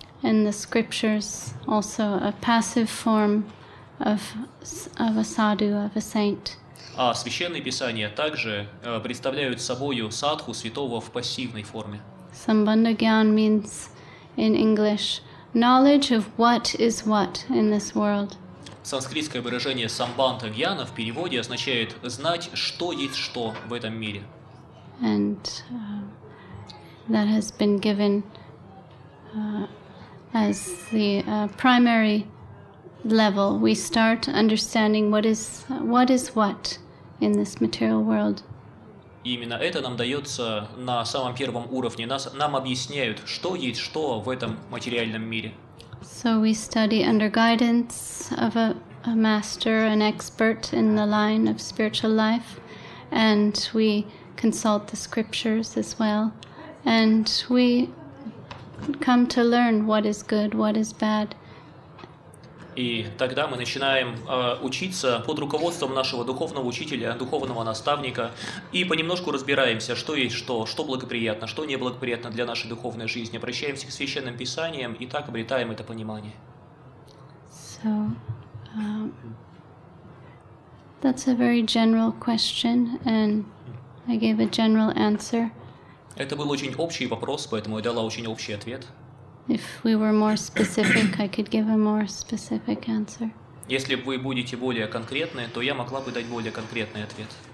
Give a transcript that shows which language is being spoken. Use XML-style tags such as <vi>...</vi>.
<en>And the scriptures also a passive form of a sadhu, of a saint.</en> <ru>А священные писания также представляют собой садху святого в пассивной форме.</ru> <en>Sambandha Gyan means in English knowledge of what is what in this world.</en> <ru>Санскритское выражение «самбанда гьяна» в переводе означает «знать, что есть что в этом мире».</ru> <en>And that has been given as the primary level. We start understanding what is what in this material world.</en> <ru>Именно это нам дается на самом первом уровне. Нам объясняют, что есть что в этом материальном мире.</ru> <en>So we study under guidance of a a master, an expert in the line of spiritual life, and we consult the scriptures as well, and we come to learn what is good, what is bad.</en> <ru>И тогда мы начинаем учиться под руководством нашего духовного учителя, духовного наставника, и понемножку разбираемся, что есть что, что благоприятно, что неблагоприятно для нашей духовной жизни. Обращаемся к священным писаниям и так обретаем это понимание.</ru> <en>So, that's a very general question, and I gave a general answer.</en> <ru>Это был очень общий вопрос, поэтому я дала очень общий ответ.</ru> <en>If we were more specific, I could give a more specific answer.</en> <ru>Если вы будете более конкретны, то я могла бы дать более конкретный ответ.</ru>